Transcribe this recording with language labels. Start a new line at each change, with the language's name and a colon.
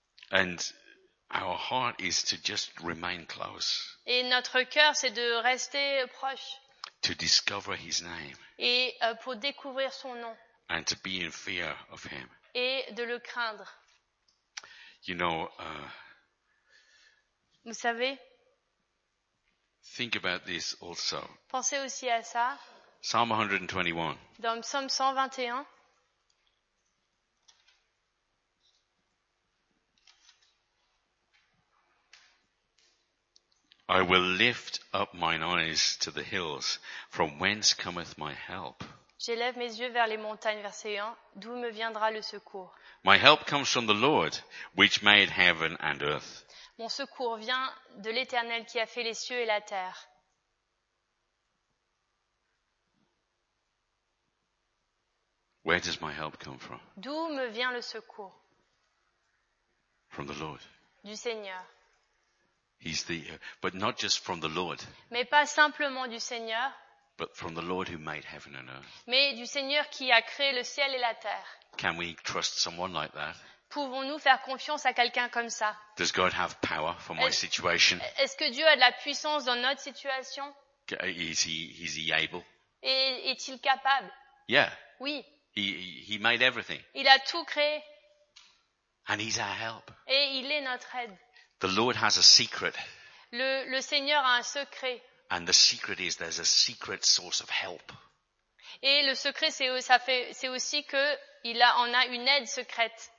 English: And our heart is to just remain close.
French: Et notre cœur, c'est de rester proche.
English: To discover his name.
French: Et pour découvrir son nom.
English: And to be in fear of him.
French: Et de le craindre.
English: You know,
French: vous savez,
English: think about this also.
French: Pensez aussi à ça.
English: Psalm 121.
French: Dans le psaume 121.
English: I will lift up mine eyes to the hills, from whence cometh my help.
French: J'élève mes yeux vers les montagnes, verset 1, d'où me viendra le secours.
English: My help comes from the Lord, which made heaven and earth.
French: Mon secours vient de l'Éternel qui a fait les cieux et la terre.
English: Where does my help come from?
French: D'où me vient le secours?
English: From the Lord.
French: Du Seigneur.
English: He's the, but not just from the Lord.
French: Mais pas simplement du Seigneur.
English: But from the Lord who made heaven and earth.
French: Mais du Seigneur qui a créé le ciel et la terre.
English: Can we trust someone like that?
French: Pouvons-nous faire confiance à quelqu'un comme ça?
English: Does God have power for my situation?
French: Est-ce que Dieu a de la puissance dans notre situation?
English: Is he able?
French: Et est-il capable?
English: Yeah.
French: Oui.
English: He made everything.
French: Il a tout créé.
English: And he's our help.
French: Et il est notre aide.
English: The Lord has a secret.
French: Le Seigneur a un secret.
English: And the secret is there's a secret source of help.
French: Et le secret, c'est aussi qu'il en a une aide secrète.